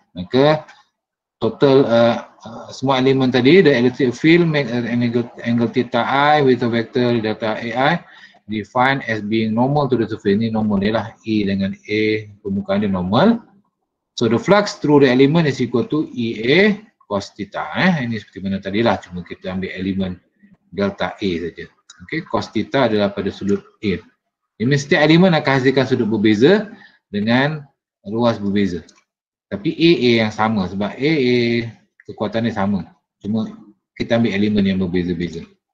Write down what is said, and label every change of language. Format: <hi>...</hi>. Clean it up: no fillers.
<ms>Maka total semua elemen tadi,</ms> <en>the electric field make an angle theta I with a vector delta AI defined as being normal to the surface.</en> <ms>Ini normal ni lah. E dengan A, permukaan dia normal.</ms> <en>So the flux through the element is equal to EA cos theta eh.</en> <ms>Ini seperti mana tadi lah. Cuma kita ambil elemen delta A saja. Okay, cos theta adalah pada sudut A. Ini setiap elemen akan hasilkan sudut berbeza dengan luas berbeza. Tapi AA yang sama sebab AA kekuatannya sama. Cuma kita ambil elemen yang berbeza-beza.</ms>